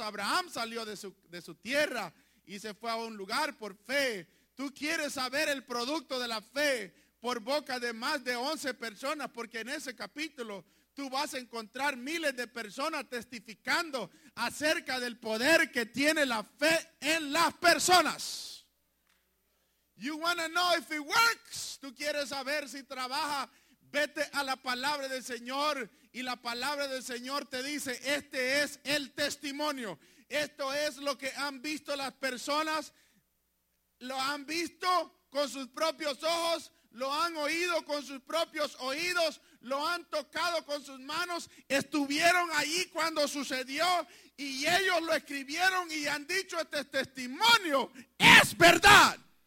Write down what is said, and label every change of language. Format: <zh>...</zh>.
<es>Abraham salió de su tierra y se fue a un lugar por fe. Tú quieres saber el producto de la fe por boca de más de 11 personas, porque en ese capítulo tú vas a encontrar miles de personas testificando acerca del poder que tiene la fe en las personas.</es> <en>You want to know if it works.</en> <es>Tú quieres saber si trabaja. Vete a la palabra del Señor y la palabra del Señor te dice, este es el testimonio. Esto es lo que han visto las personas, lo han visto con sus propios ojos, lo han oído con sus propios oídos, lo han tocado con sus manos, estuvieron allí cuando sucedió y ellos lo escribieron y han dicho, este testimonio es verdad.</es>